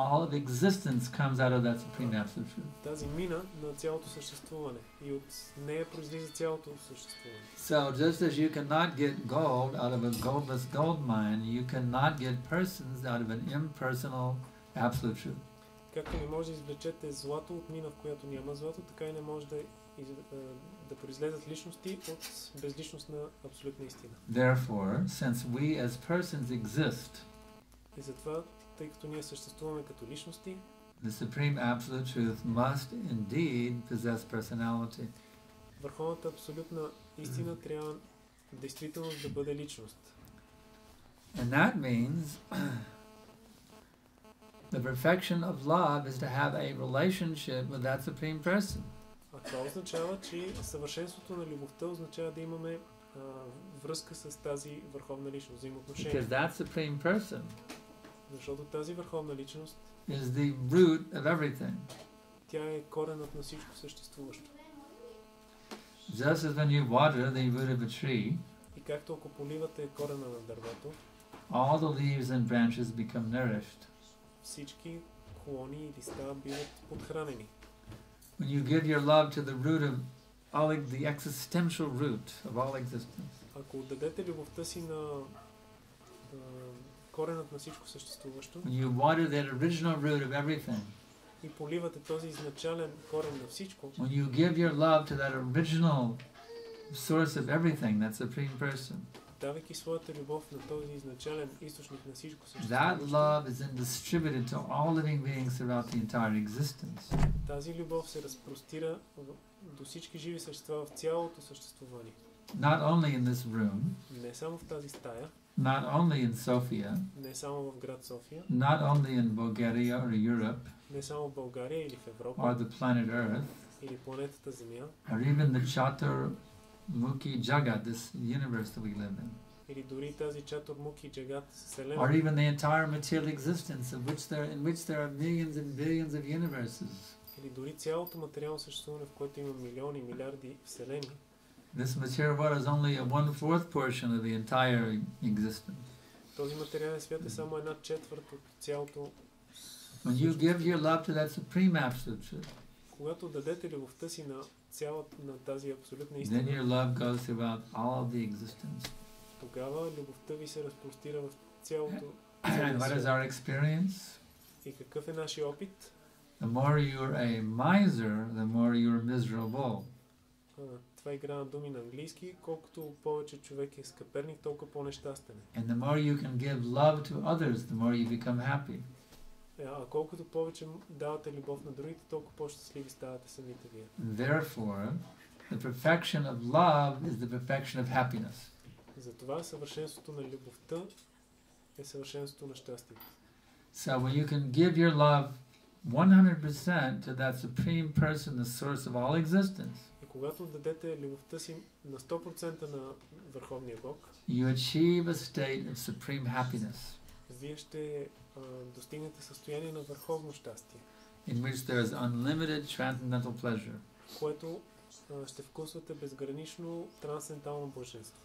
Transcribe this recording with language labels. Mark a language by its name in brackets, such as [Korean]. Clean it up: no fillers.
[English] All of existence comes out of that supreme absolute truth. [Bulgarian] Тази мина на цялото съществуване и от нея произлиза цялото съществуване. [English] So just as you cannot get gold out of a goldless gold mine, you cannot get persons out of an impersonal absolute truth. [Bulgarian] Както не може да извлечете злато от мина, в която няма злато, така и не може да да произлезат личности от безличност на абсолютна истина. [English] Therefore, since we as persons exist, [Bulgarian] и затова, тъй като ние съществуваме като личности, [English] the supreme absolute truth must indeed possess personality. [Bulgarian] Върховната абсолютна истина трябва действително да бъде личност. [English] And that means the perfection of love is to have a relationship with that supreme person. [Bulgarian] А това означава, че съвършенството на любовта означава да имаме връзка с тази върховна личност, взаимоотношение. [English] Because that supreme person, [Bulgarian] защото тази върховна личност, [English] is the root of everything. [Bulgarian] Тя е коренът на всичко съществуващо. [English] Just as when you water the root of a tree, [Bulgarian] и както ако поливате корена на дървото, [English] all the leaves and branches become nourished. [Bulgarian] Всички клони и листа биват подхранени. [English] When you give your love to the root of all the existential root of all existence. [Bulgarian] Ако отдадете любовта си на коренът на всичко съществуващо. [English] When you water that original root of everything. [Bulgarian] И поливате този изначален корен на всичко. [English] When you give your love to that original source of everything, that supreme person. [Bulgarian] Давайки своята любов на този изначален източник на всичко съществуващо. [English] That love is then distributed to all living beings throughout the entire existence. [Bulgarian] Тази любов се разпростира до всички живи същества в цялото съществуване. [English] Not only in this room. [Bulgarian] Не само в тази стая. [English] Not only in Sofia. [Bulgarian] Не само в град София. [English] Not only in Bulgaria or Europe. [Bulgarian] Не само в България или в Европа. [English] Or the planet Earth. [Bulgarian] Или планетата Земя. [English] Or even the Chatur Muki Jagat, this universe that we live in. [Bulgarian] Или дори тази Chatur Muki Jagat вселената. [English] Or even the entire material existence of which there in which there are millions and billions of universes. [Bulgarian] Или дори цялото материално съществуване, в което има милиони, милиарди вселени. [English] This material world is only a 1/4 portion of the entire existence. [Bulgarian] Този материален свят е само една четвърт от цялото. [English] When you give your love to that supreme absolute truth. [Bulgarian] Когато дадете любовта си на цялата тази абсолютна истина. [English] Then your love goes throughout all of the existence. [Bulgarian] Тогава любовта ви се разпростира в цялото. [English] And what is our experience? [Bulgarian] И какъв е нашия опит? [English] The more you are a miser, the more you are miserable. [Bulgarian] Това игра на думи на английски. Колкото повече човек е скъперник, толкова по-нещастен. [English] And the more you can give love to others, the more you become happy. [Bulgarian] А колкото повече давате любов на другите, толкова по-щастливи ставате самите вие. [English] Therefore, the perfection of love is the perfection of happiness. [Bulgarian] Затова съвършенството на любовта е съвършенството на щастието. [English] So when you can give your love 100% to that supreme person, the source of all existence. [Bulgarian] И когато дадете любовта си на 100% на върховния Бог, [English] you achieve a state of supreme happiness. [Bulgarian] Вие ще достигнете състояние на върховно щастие. [English] In which there is unlimited transcendental pleasure. [Bulgarian] Което ще вкусвате безгранично трансцендентално блаженство.